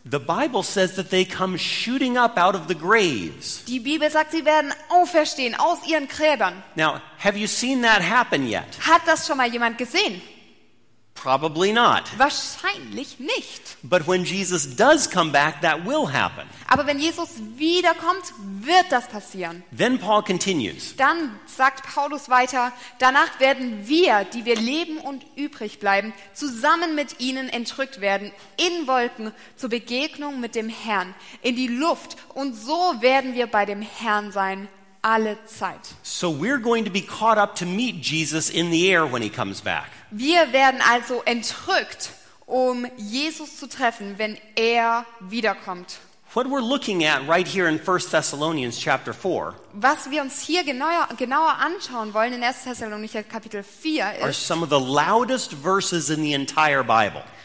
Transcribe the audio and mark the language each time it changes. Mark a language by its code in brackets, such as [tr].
[en] The Bible says that they come shooting up out of the graves. [de] Die Bibel sagt, sie werden auferstehen aus ihren Gräbern. [en] Now, have you seen that happen yet? [de] Hat das schon mal jemand gesehen? [en] Probably not. [de] Wahrscheinlich nicht. [en] But when Jesus does come back, that will happen. [de] Aber wenn Jesus wiederkommt, wird das passieren. [en] Then Paul continues. [de] Dann sagt Paulus weiter, danach werden wir, die wir leben und übrig bleiben, zusammen mit ihnen entrückt werden, in Wolken zur Begegnung mit dem Herrn, in die Luft, und so werden wir bei dem Herrn sein. Alle Zeit. [en] So we're going to be caught up to meet Jesus in the air when he comes back. [de] Wir werden also entrückt, um Jesus zu treffen, wenn er wiederkommt. [en] What we're looking at right here in 1 Thessalonians chapter 4. [de] Was wir uns hier genauer anschauen wollen in 1. Thessalonicher Kapitel 4 ist, [en] are some of the loudest verses in the entire Bible.